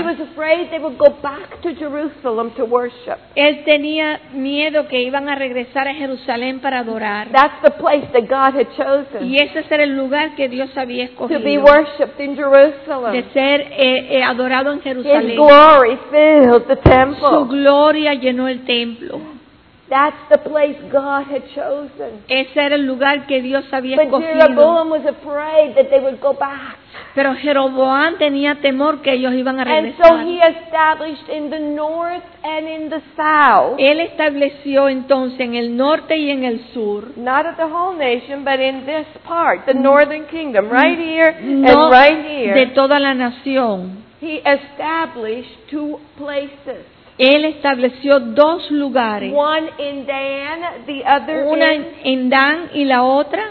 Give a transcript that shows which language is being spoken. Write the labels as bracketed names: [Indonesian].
[English] He was afraid they would go back to Jerusalem to worship. [Spanish] Él tenía miedo que iban a regresar a Jerusalén para adorar. [English] That's the place that God had chosen. [Spanish] Y ese era el lugar que Dios había escogido. [English] To be worshipped in Jerusalem. [Spanish] De ser adorado en Jerusalén. [English] His glory filled the temple. [Spanish] Su gloria llenó el templo. [English] That's the place God had chosen. [Spanish] Ese era el lugar que Dios había [English] but [Spanish] escogido. [English] Jeroboam was afraid that they would go back. [Spanish] Pero Jeroboam tenía temor que ellos iban a regresar. [English] And so he established in the north and in the south. [Spanish] Él estableció entonces en el norte y en el sur. [English] Not at the whole nation, but in this part, the northern kingdom, right here and right here. [Spanish] De toda la nación. [English] He established two places. [Spanish] Él estableció dos lugares. [English] One in Dan, the other [Spanish] una en Dan y la otra